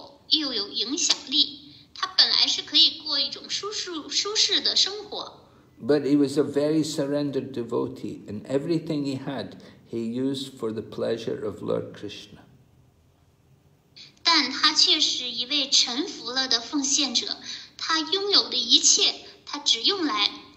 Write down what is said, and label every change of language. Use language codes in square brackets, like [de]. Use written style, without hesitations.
[zh] 又有影响力，他本来是可以过一种舒适的生活。 [en] But he was a very surrendered devotee, and everything he had, he used for the pleasure of Lord Krishna. [zh] 但他却是一位臣服了的奉献者，他拥有的一切，他只用来